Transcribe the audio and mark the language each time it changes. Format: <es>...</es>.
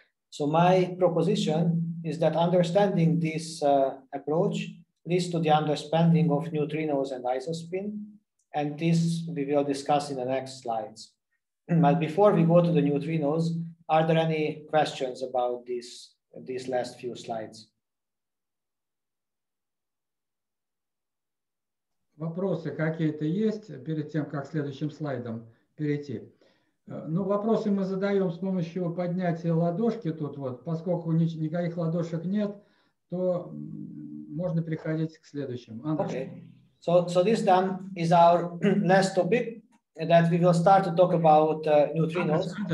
<en>So my proposition is that understanding this approach leads to the understanding of neutrinos and isospin. And this we will discuss in the next slides. But before we go to the neutrinos, are there any questions about these last few slides?</en> <ru>Вопросы какие-то есть перед тем, как следующим слайдом перейти? Ну, вопросы мы задаем с помощью поднятия ладошки тут вот. Поскольку никаких ладошек нет, то можно переходить к следующим.</ru> <en>Андрей. Okay. So this then is our last topic that we will start to talk about neutrinos.</en>